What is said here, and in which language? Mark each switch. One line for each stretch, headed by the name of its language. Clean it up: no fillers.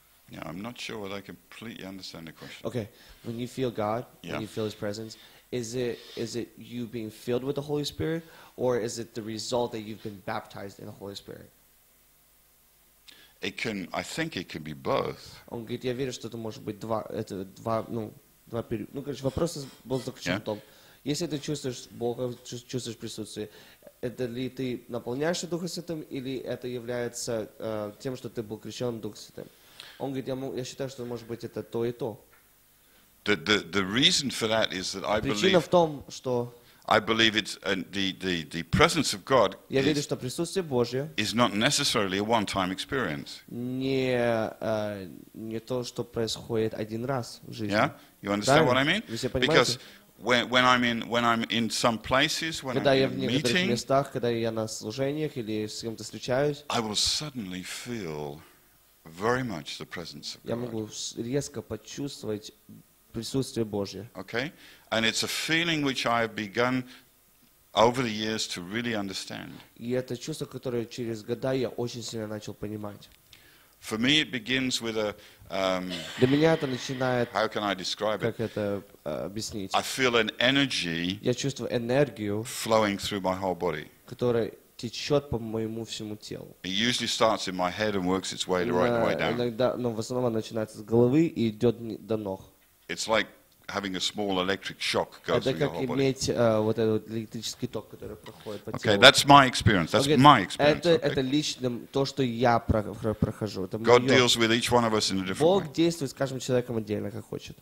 English: Yeah, I'm not sure whether I completely understand the question. Okay, when you feel God, when you feel His presence, is it you being filled with the Holy Spirit, or is it the result that you've been baptized in the Holy Spirit? I think it can be both.
Russian: Он говорит, я верю, что это может быть два периода. Ну, короче, вопрос был заключен в том, если ты чувствуешь Бога, чувствуешь присутствие, это ли ты наполняешься Духом Святым, или это является тем, что ты был крещен Духом Святым? Он говорит, я считаю, что, может быть, это то и то.
English: The reason for that is that I believe...
Russian: Причина в том, что...
English: I believe it's the presence of God is not necessarily a one-time experience.
Russian: Не то, что происходит один раз в жизни.
English: Yeah, you understand what I mean?
Russian: Вы все понимаете?
English: Because when I'm in some places, when
Russian: когда
English: I'm
Russian: я в некоторых
English: meeting,
Russian: местах, когда я на служениях или с кем-то встречаюсь,
English: I will suddenly feel very much the presence of God.
Russian: Я могу резко почувствовать присутствие Божье.
English: Okay? And it's a feeling which I have begun over the years to really understand.
Russian: И это чувство, которое через года я очень сильно начал понимать.
English: For me it begins with a
Russian: Для меня это начинает
English: How can I describe it?
Russian: Как это объяснить?
English: I feel an energy
Russian: Я чувствую энергию
English: flowing through my whole body.
Russian: Которая течет по моему всему телу.
English: It usually starts in my head and works its way right the way down.
Russian: Иногда, но в основном начинается с головы и идет до ног.
English: It's like having a small electric shock go through your whole body.
Russian: Это как иметь вот этот электрический ток, который проходит по телу.
English: Okay, that's my experience. That's my experience.
Russian: Это лично то, что я прохожу.
English: God deals with each one of us in a different way.
Russian: Бог действует с каждым человеком отдельно, как хочет.